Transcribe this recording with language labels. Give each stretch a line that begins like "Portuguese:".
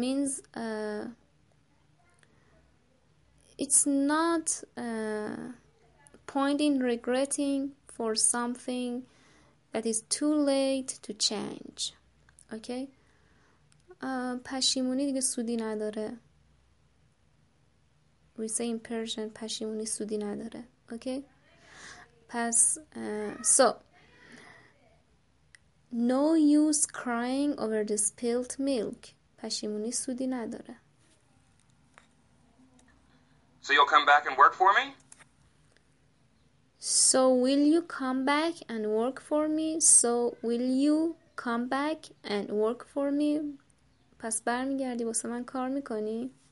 English: Means it's not point in regretting for something that is too late to change. Okay?
Persian: پشیمونی دیگه سودی نداره.
English: We say in Persian,
Persian: پشیمونی سودی نداره.
English: Okay? Pass. So, no use crying over the spilt milk.
Persian: پشیمونی سودی نداره.
English: So you'll come back and work for me? So will you come back and work for me? So will you come back and work for me?
Persian: پس برمیگردی واسه من کار میکنی؟